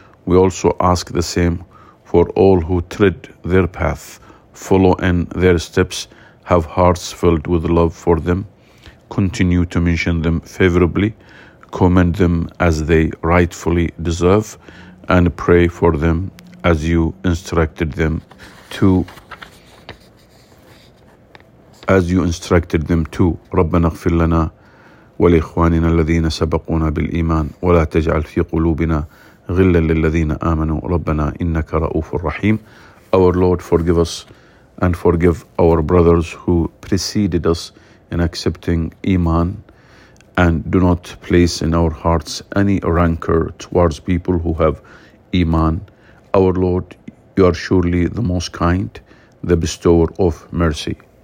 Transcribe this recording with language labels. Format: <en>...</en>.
<en>We also ask the same for all who tread their path, follow in their steps, have hearts filled with love for them, continue to mention them favorably, commend them as they rightfully deserve, and pray for them as you instructed them to.</en> <ar>ربنا اغفر لنا ولإخواننا الذين سبقونا بالإيمان ولا تجعل في قلوبنا غلا للذين آمنوا ربنا إنك رؤوف رحيم.</ar> <en>Our Lord, forgive us and forgive our brothers who preceded us in accepting Iman, and do not place in our hearts any rancor towards people who have Iman. Our Lord, you are surely the most kind, the bestower of mercy.</en>